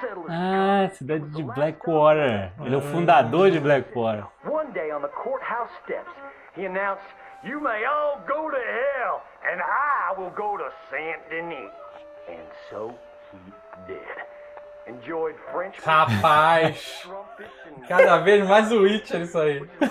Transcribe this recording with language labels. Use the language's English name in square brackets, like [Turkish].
[Portuguese] Ah, cidade de Blackwater. Ele é o fundador de Blackwater. [English] One day on the courthouse steps, he announced, "You may all go to hell, and I will go to Saint Denis." And so he did. Enjoyed French. [Portuguese] Rapaz, cada vez mais Witcher isso aí.